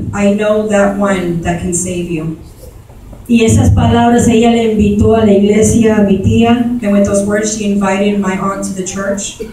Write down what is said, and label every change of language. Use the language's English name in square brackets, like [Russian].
[English] I know that one that can save you. [Spanish] Y esas palabras ella le invitó a la iglesia a mi tía. [English] And with those words she invited my aunt to the church.